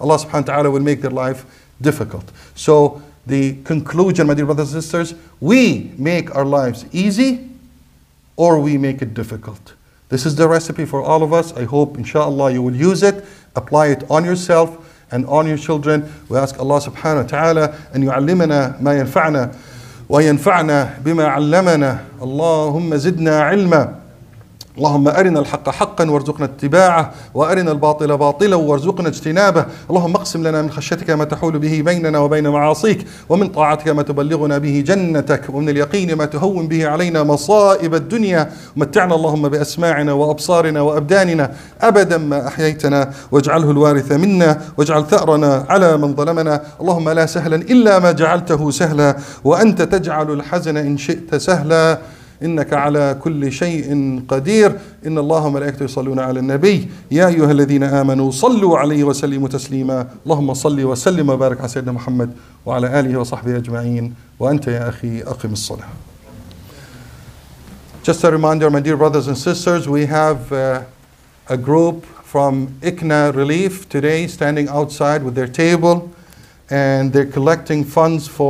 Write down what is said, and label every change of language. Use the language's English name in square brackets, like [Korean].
[English] Allah subhanahu wa ta'ala will make their life difficult. So the conclusion, my dear brothers and sisters, we make our lives easy or we make it difficult. This is the recipe for all of us. I hope, inshallah, you will use it, apply it on yourself and on your children. We ask Allah subhanahu wa ta'ala, [Arabic] أن يعلمنا ما ينفعنا وينفعنا بما علمنا. اللهم زدنا علما. اللهم أرنا الحق حقا وارزقنا اتباعه وأرنا الباطل باطلا وارزقنا اجتنابه. اللهم اقسم لنا من خشيتك ما تحول به بيننا وبين معاصيك, ومن طاعتك ما تبلغنا به جنتك, ومن اليقين ما تهون به علينا مصائب الدنيا. متعنا اللهم بأسماعنا وأبصارنا وأبداننا أبدا ما أحييتنا, واجعله الوارث منا, واجعل ثأرنا على من ظلمنا. اللهم لا سهلا إلا ما جعلته سهلا, وأنت تجعل الحزن إن شئت سهلا, إنك على كل شيء قدير. إن الله وملائكته يصلون على النبي, يا أيها الذين آمنوا صلوا عليه وسلموا تسليما. اللهم صل وسلم وبارك على سيدنا محمد وعلى آله وصحبه أجمعين. وأنت يا أخي أقم الصلاة. [English] Just a reminder, my dear brothers and sisters, we have a group from ICNA Relief today standing outside with their table, and they're collecting funds for